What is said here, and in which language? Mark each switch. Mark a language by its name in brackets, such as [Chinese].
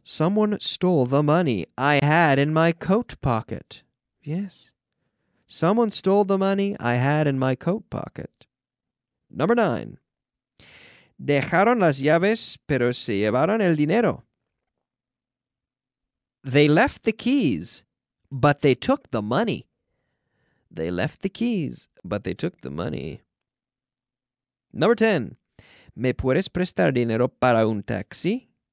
[English] Someone stole the money I had in my coat pocket. Yes. Someone stole the money I had in my coat pocket. Number nine. [Spanish] Dejaron las llaves, pero se llevaron el dinero. [English] They left the keys, but they took the money. They left the keys, but they took the money. Number 10. [Spanish] ¿Me puedes prestar dinero para un taxi?